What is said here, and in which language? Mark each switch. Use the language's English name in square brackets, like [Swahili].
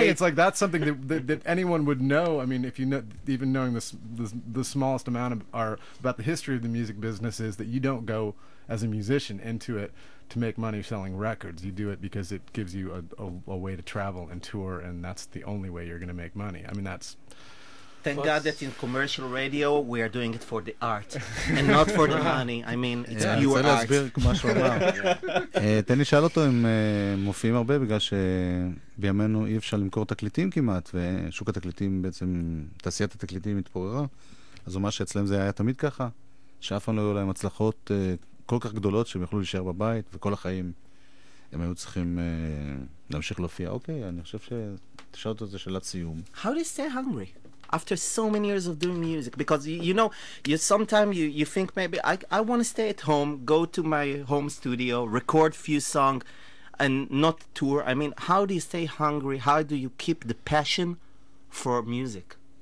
[English] saying, it's like that's something that anyone would know. I mean, if you know, even knowing the smallest amount of are about the history of the music business, is that you don't go as a musician into it to make money selling records. You do it because it gives you a way to travel and tour, and that's the only way you're going to make money. I mean, that's Thank God that in commercial radio we are doing it for the art and not for the money. I mean, it's pure art. [Hebrew] אני רוצה להסביר כמו שהוא אמר. תן לי שאל אותו אם מופיעים הרבה, בגלל שבימינו אי אפשר למכור תקליטים כמעט, ושוק התקליטים בעצם, תעשיית התקליטים התפוררה. אז הוא אמר שאצלם זה היה תמיד ככה, שאף פעם לא היו להם הצלחות כל כך גדולות שהם יכלו להישאר בבית, וכל החיים הם היו צריכים להמשיך להופיע. אוקיי, אני חושב שתשאל אותו את זה שאלת סיום. [English] How do you stay hungry? After so many years of doing music, because you know, you sometimes you think maybe I want to stay at home, go to my home studio, record few song and not tour. I mean, how do you stay hungry? How do you keep the passion for music?